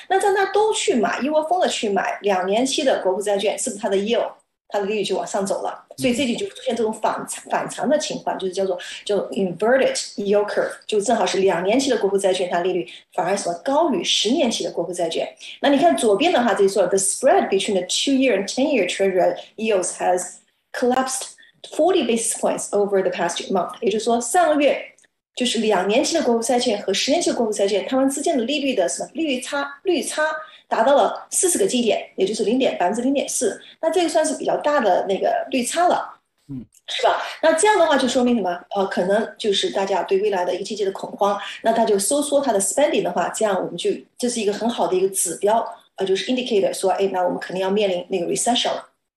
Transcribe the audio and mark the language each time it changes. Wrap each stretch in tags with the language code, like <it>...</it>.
<zh>那在那都去买，一窝蜂的去买2年期的国库债券，是不是它的 yield，它的利率就往上走了？所以这里就出现这种反常的情况，就是叫做 inverted yield curve，就正好是2年期的国库债券，它利率反而什么高于10年期的国库债券。那你看左边的话，这就说</zh> <en>the spread between the 2-year and 10-year treasury yields has collapsed 40 basis points over the past month，</en> <zh>也就是说上个月。就是2年期的国库债券和10年期的国库债券，它们之间的利率的什么利率差达到了40个基点，也就是0.04%。那这个算是比较大的那个利差了，是吧？那这样的话就说明什么？可能就是大家对未来的一切的恐慌，那它就收缩它的 spending 的话，这样我们就这是一个很好的一个指标，就是 indicator 说，哎，那我们肯定要面临那个 recession 了。</zh>